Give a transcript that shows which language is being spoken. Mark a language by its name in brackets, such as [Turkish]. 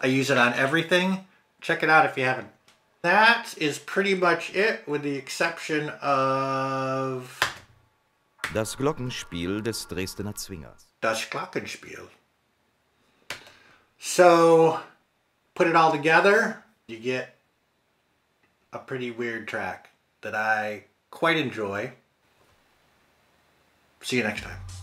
[English] I use it on everything. Check it out if you haven't. That is pretty much it, with the exception of [German] Das Glockenspiel des Dresdner Zwingers. Das Glockenspiel. [English] So put it all together, you get a pretty weird track that I quite enjoy. See you next time.